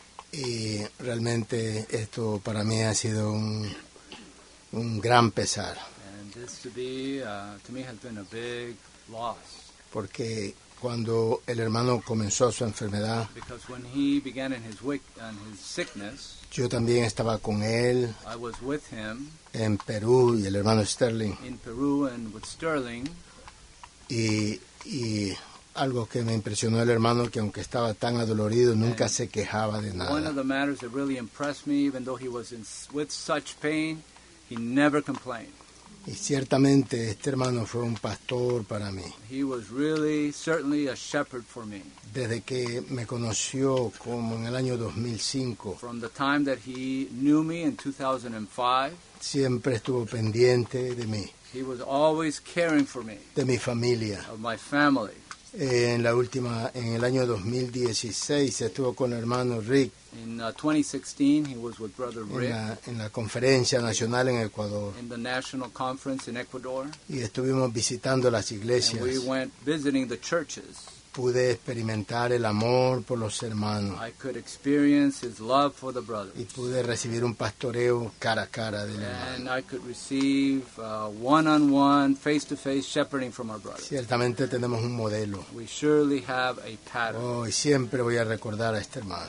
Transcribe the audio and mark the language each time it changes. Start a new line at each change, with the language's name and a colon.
Spanish: Y realmente esto para mí ha sido un gran pesar.
English: And this to be, to me has been a big loss.
Spanish: Porque cuando el hermano comenzó su enfermedad,
English: because when he began in his sickness,
Spanish: yo también estaba con él.
English: I was with him
Spanish: en Perú y el hermano Sterling.
English: In Peru and with Sterling.
Spanish: Y algo que me impresionó el hermano, que aunque estaba tan adolorido, nunca se quejaba de nada.
English: One of the matters that really impressed me, even though he was with such pain, he never complained.
Spanish: Y ciertamente este hermano fue un pastor para mí.
English: He was really certainly a shepherd for me.
Spanish: Desde que me conoció como en el año 2005.
English: From the time that he knew me in 2005.
Spanish: Siempre estuvo pendiente de mí.
English: He was always caring for me.
Spanish: De mi familia.
English: Of my family.
Spanish: En el año 2016 estuvo con el hermano Rick.
English: In 2016 he was with brother Rick.
Spanish: En la conferencia nacional en Ecuador.
English: In the national conference in Ecuador.
Spanish: Y estuvimos visitando las iglesias.
English: And we went visiting the churches.
Spanish: Pude experimentar el amor por los hermanos.
English: I could experience his love for the brothers.
Spanish: Y pude recibir un pastoreo cara a cara del hermano.
English: And I could receive one-on-one, face-to-face shepherding from our brothers.
Spanish: Ciertamente tenemos un modelo.
English: We surely have a pattern.
Spanish: Oh, y siempre voy a recordar a este hermano.